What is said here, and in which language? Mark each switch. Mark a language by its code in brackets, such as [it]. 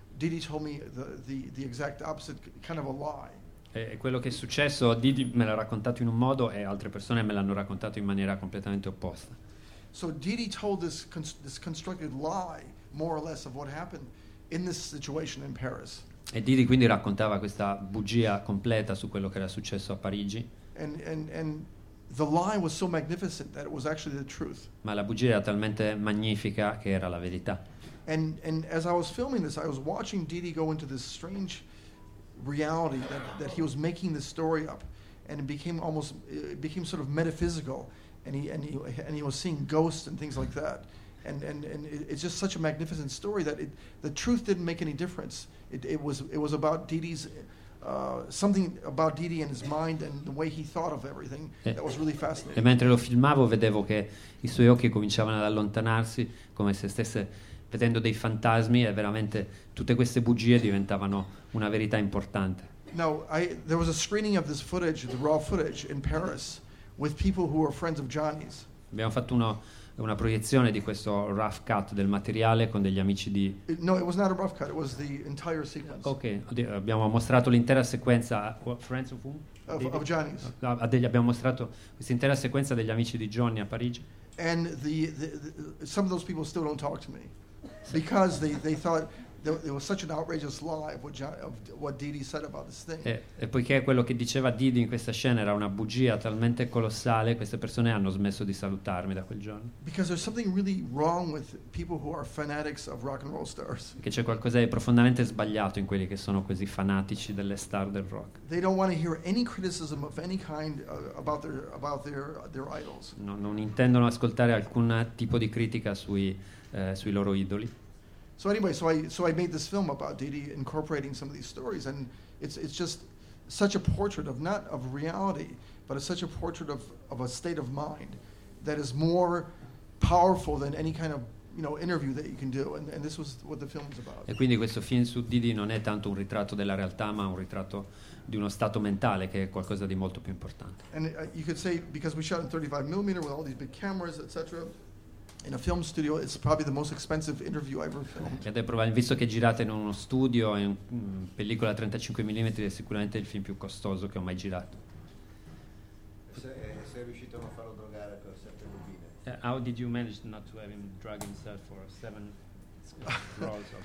[en] Didi told me the exact opposite, kind of a lie. [it] E quello che è successo, Didi me l'ha raccontato in un modo e altre persone me l'hanno raccontato in maniera completamente opposta. [en] So Didi told this constructed lie, more or less, of what happened. In this situation in Paris. [it] E Didi quindi raccontava questa bugia completa su quello che era successo a Parigi. [en] And the lie was so magnificent that it was actually the truth. [it] Ma la bugia era talmente magnifica che era la verità. [en] And as I was filming this, I was watching Didi go into this strange reality that he was making this story up, and it became sort of metaphysical, and he was seeing ghosts and things like that. And it's just such a magnificent story that the truth didn't make any difference. It was about Didi's something about Didi and his mind and the way he thought of everything that was really fascinating. [it] E mentre lo filmavo vedevo che i suoi occhi cominciavano ad allontanarsi come se stesse vedendo dei fantasmi e veramente tutte queste bugie diventavano una verità importante. [en] Now, there was a screening of this footage, the raw footage in Paris with people who were friends of Johnny's. [it] Abbiamo fatto una proiezione di questo rough cut del materiale con degli amici di... [en] No, it was not a rough cut, it was the entire sequence. [it] Ok, abbiamo mostrato l'intera sequenza... [en] Friends of whom? Of Johnny's. [it] Abbiamo mostrato questa intera sequenza degli amici di Johnny a Parigi. [en] And some of those people still don't talk to me. Because they thought, there was such an outrageous lie of what, John, of what Didi said about this thing. [it] E poiché quello che diceva Didi in questa scena era una bugia talmente colossale, queste persone hanno smesso di salutarmi da quel giorno. [en] Because there's something really wrong with people who are fanatics of rock and roll stars. [it] Che c'è qualcosa di profondamente sbagliato in quelli che sono così fanatici delle star del rock. [en] They don't want to hear any criticism of any kind about their idols. [it] Non intendono ascoltare alcun tipo di critica sui loro idoli. [en] So anyway, so I made this film about Didi incorporating some of these stories, and it's just such a portrait of not of reality, but it's such a portrait of a state of mind that is more powerful than any kind of, you know, interview that you can do, and this was what the film is about. [it] E quindi questo film su Didi non è tanto un ritratto della realtà, ma un ritratto di uno stato mentale, che è qualcosa di molto più importante. [en] And you could say, because we shot in 35 millimeter with all these big cameras, etc., in a film studio, it's probably the most expensive interview I've ever filmed. [it] Visto che girate in uno studio in pellicola 35 mm, è sicuramente il film più costoso che ho mai girato. Se è riuscito a farlo drogare per 7 rubine. [en] How did you manage not to have him drug himself for 7 rolls?